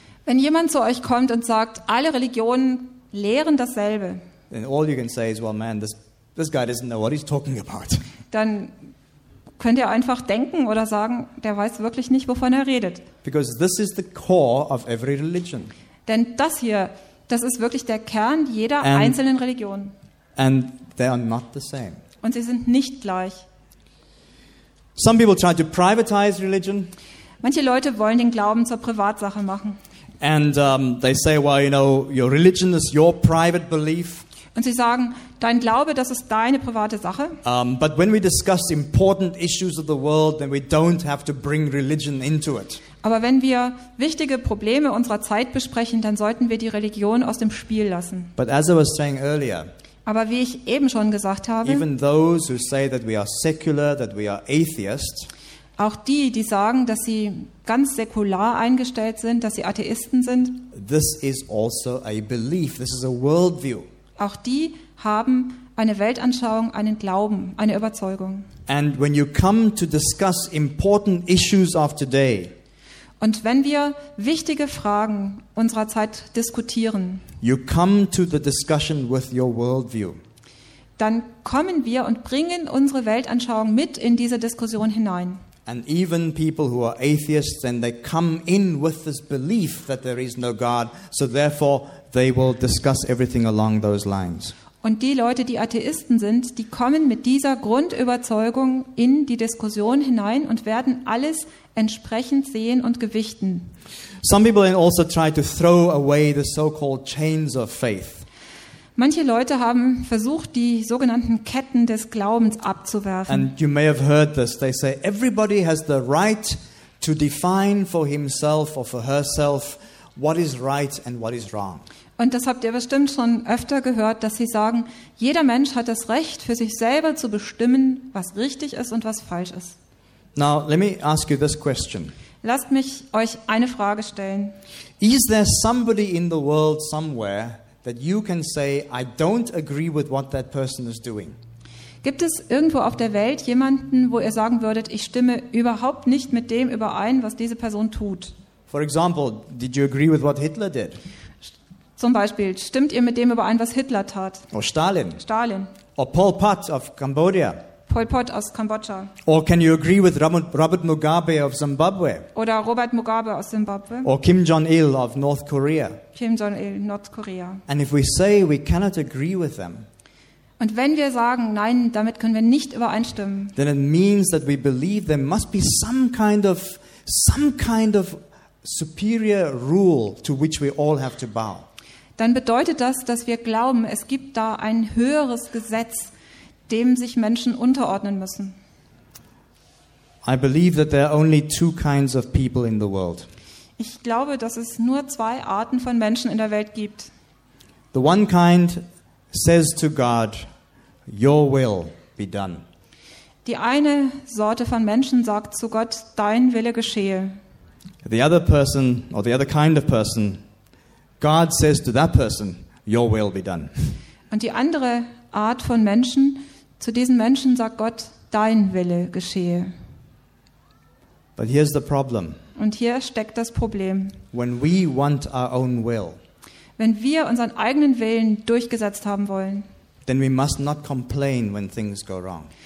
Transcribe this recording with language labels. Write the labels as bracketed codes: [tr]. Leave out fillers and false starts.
[de] wenn jemand zu euch kommt und sagt, alle Religionen lehren dasselbe, [en] then all you can say is, well, man, this guy doesn't know what he's talking about. [de] Dann könnt ihr einfach denken oder sagen, der weiß wirklich nicht, wovon er redet. [en] Because this is the core of every religion. [de] Denn das hier, das ist wirklich der Kern jeder einzelnen Religion. [en] And they are not the same. [de] Und sie sind nicht gleich. [en] Some people try to privatize religion. [de] Manche Leute wollen den Glauben zur Privatsache machen. [en] And they say, well, you know, your religion is your private belief. [de] Und sie sagen, dein Glaube, das ist deine private Sache. [en] But when we discuss important issues of the world, then we don't have to bring religion into it. [de] Aber wenn wir wichtige Probleme unserer Zeit besprechen, dann sollten wir die Religion aus dem Spiel lassen. [en] But as I was saying earlier, [de] aber wie ich eben schon gesagt habe, [en] even those who say that we are secular, that we are atheist, [de] auch die, die sagen, dass sie ganz säkular eingestellt sind, dass sie Atheisten sind, [en] this is also a belief, this is a worldview. [de] Auch die haben eine Weltanschauung, einen Glauben, eine Überzeugung. [en] And when you come to discuss important issues of today, [de] und wenn wir wichtige Fragen unserer Zeit diskutieren, [en] you come to the discussion with your worldview. [de] Dann kommen wir und bringen unsere Weltanschauung mit in diese Diskussion hinein. [en] And even people who are atheists, then they come in with this belief that there is no God. So therefore, they will discuss everything along those lines. [de] Und die Leute, die Atheisten sind, die kommen mit dieser Grundüberzeugung in die Diskussion hinein und werden alles entsprechend sehen und gewichten. [en] Some people also try to throw away the so-called chains of faith. [de] Manche Leute haben versucht, die sogenannten Ketten des Glaubens abzuwerfen. [en] And you may have heard this. They say everybody has the right to define for himself or for herself what is right and what is wrong. [de] Und das habt ihr bestimmt schon öfter gehört, dass sie sagen, jeder Mensch hat das Recht, für sich selber zu bestimmen, was richtig ist und was falsch ist. [en] Now let me ask you this question. [de] Lasst mich euch eine Frage stellen. [en] Is there somebody in the world somewhere that you can say, I don't agree with what that person is doing? [de] Gibt es irgendwo auf der Welt jemanden, wo ihr sagen würdet, ich stimme überhaupt nicht mit dem überein, was diese Person tut? [en] For example, did you agree with what Hitler did? [de] Zum Beispiel, stimmt ihr mit dem überein, was Hitler tat? [en] Or Stalin? [de] Stalin. [en] Or Pol Pot of Cambodia? [de] Pol Pot aus Kambodscha. [en] Or can you agree with Robert Mugabe of Zimbabwe? [de] Oder Robert Mugabe aus Zimbabwe? [en] Or Kim Jong-il of North Korea? [de] Kim Jong-il, Nordkorea. [en] And if we say we cannot agree with them, [de] und wenn wir sagen, nein, damit können wir nicht übereinstimmen, [en] then it means that we believe there must be some kind of superior rule to which we all have to bow. [de] Dann bedeutet das, dass wir glauben, es gibt da ein höheres Gesetz, dem sich Menschen unterordnen müssen. [en] I believe that there are only two kinds of people in the world. [de] Ich glaube, dass es nur zwei Arten von Menschen in der Welt gibt. [en] The one kind says to God, "Your will be done." [de] Die eine Sorte von Menschen sagt zu Gott, dein Wille geschehe. [en] The other person, or the other kind of person, God says to that person, "Your will be done." [de] Und die andere Art von Menschen, zu diesen Menschen sagt Gott, dein Wille geschehe. [en] But here's the problem. [de] Und hier steckt das Problem. [en] When we want our own will, [de] wenn wir unseren eigenen Willen durchgesetzt haben wollen, [en] then we must not complain when things go wrong.